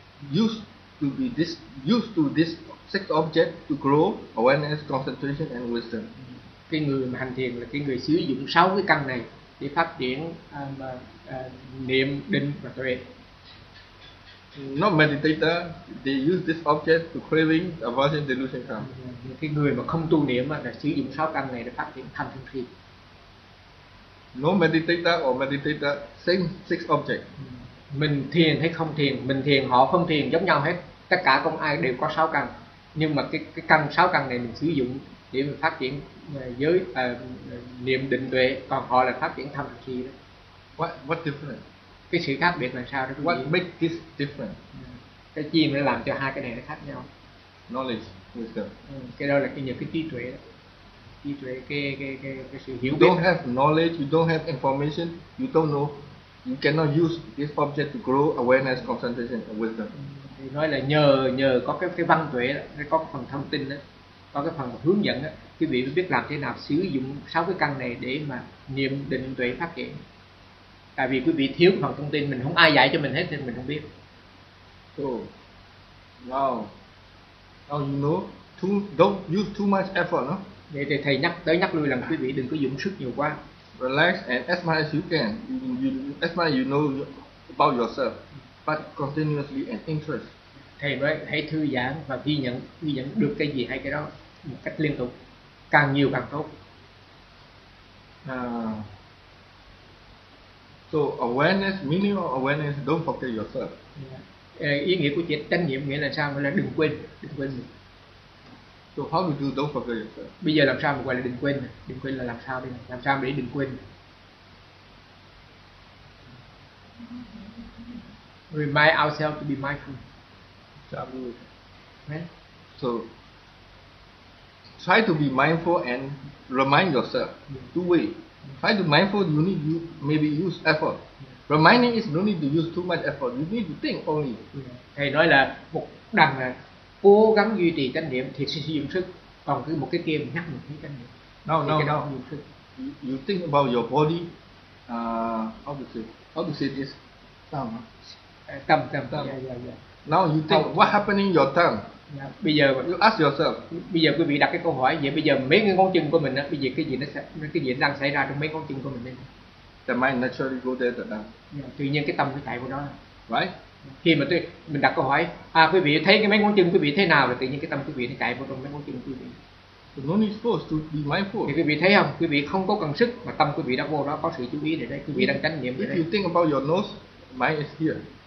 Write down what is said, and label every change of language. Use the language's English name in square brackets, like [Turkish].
[English] Used to this six object to grow awareness, concentration and wisdom. [Vietnamese] Cái người mà hành thiền là cái người sử dụng sáu cái căn này để phát triển niệm định và tuệ. [English] Not meditator, they use this object to craving, aversion, delusion, karma. [Vietnamese] Cái người mà không tu niệm mà là sử dụng sáu căn này để phát triển tham sân si. [English] No meditator or meditator, same six object. [Vietnamese] Mình thiền hay không thiền, mình thiền họ không thiền giống nhau hết. Tất cả con ai đều có sáu căn. Nhưng mà cái căn sáu căn này mình sử dụng để mình phát triển giới niệm định tuệ, còn họ là phát triển thần chi đó. [English] What different? [Vietnamese] Cái sự khác biệt là sao đó? [English] What make this different? [Vietnamese] Cái chi mà nó làm cho hai cái này nó khác nhau? [English] Knowledge, wisdom. [Vietnamese] Cái đó là cái nhiều cái trí tuệ đó. Trí tuệ cái sự hiểu biết. [English] You don't have knowledge, you don't have information, you don't know. You cannot use this object to grow awareness, concentration, and wisdom. [Vietnamese] Thì nói là nhờ có cái văn tuệ đó, có phần thông tin đó, có cái phần hướng dẫn đó, quý vị mới biết làm thế nào sử dụng sáu cái căn này để mà niệm định tuệ phát triển. Tại vì quý vị thiếu phần thông tin, mình không ai dạy cho mình hết nên mình không biết. [English] So, now you know, don't use too much effort, no? [Vietnamese] Để thầy nhắc lui là quý vị đừng có dùng sức nhiều quá. [English] Relax and as much as you can, as much as you know about yourself, but continuously and interest. [Vietnamese] Thầy nói hãy thư giãn và ghi nhận được cái gì hay cái đó một cách liên tục, càng nhiều càng tốt. [English] So awareness, meaning of awareness, don't forget yourself. [Vietnamese] Ý nghĩa của chuyện trách nhiệm nghĩa là sao? Nghĩa là đừng quên. [English] So how do you don't forget yourself? [Vietnamese] Bây giờ làm sao mà gọi là đừng quên? Đừng quên là làm sao đây? Làm sao để đừng quên? [English] Remind ourselves to be mindful. So try to be mindful and remind yourself. Two ways. Try to be mindful, you need to maybe use effort. Reminding is no need to use too much effort. You need to think only. [Vietnamese] Thầy nói là một đằng là cố gắng duy trì chánh niệm thì sẽ sử dụng sức. Còn cứ một cái kia mình nhắc mình thấy chánh niệm. [English] No. You think about your body. How to say this? [Vietnamese] Tâm. Yeah. [English] Now you think what happening your tongue? Yeah. [Vietnamese] Bây giờ [English] you ask yourself. [Vietnamese] Bây giờ quý vị đặt cái câu hỏi vậy. Bây giờ mấy cái ngón chân của mình á, bây giờ cái gì đang xảy ra trong mấy ngón chân của mình đây? [English] The mind naturally go there, the tongue. Yeah. [Vietnamese] Tự nhiên cái tâm nó chạy vào đó. [English] Right? [Vietnamese] Khi mà mình đặt câu hỏi, quý vị thấy cái mấy ngón chân quý vị thế nào, thì tự nhiên cái tâm quý vị nó chạy vào trong mấy ngón chân quý vị. [English] So no need force to be mindful. [Vietnamese] Thì quý vị thấy không? Quý vị không có cần sức mà tâm quý vị đã vô đó, có sự chú ý để đấy. Quý vị đang chánh niệm. [English] If you think about your nose, mind is here.